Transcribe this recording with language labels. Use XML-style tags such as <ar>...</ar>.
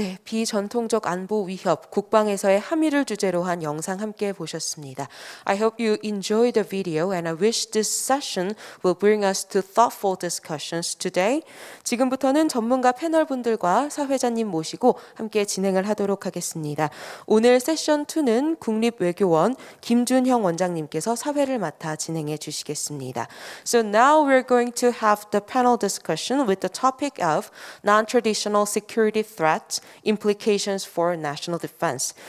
<en>I hope you enjoyed the video and I wish this session will bring us to thoughtful discussions today.</en> <ko>지금부터는 전문가 패널분들과 사회자님 모시고 함께 진행을 하도록 하겠습니다. 오늘 세션 2는 국립외교원 김준형 원장님께서 사회를 맡아 진행해 주시겠습니다.</ko> <en>So now we're going to have the panel discussion with the topic of non-traditional security threats implications for national defense.</en>